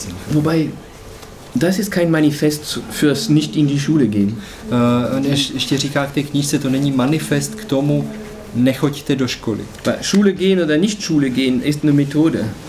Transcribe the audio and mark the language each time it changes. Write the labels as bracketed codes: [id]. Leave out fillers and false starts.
[de] Wobei, das ist kein Manifest fürs nicht in die Schule gehen. [cs] On ještě říká k té knížce, to není manifest k tomu, nechoďte do školy. [de] Schule gehen oder nicht Schule gehen ist eine Methode.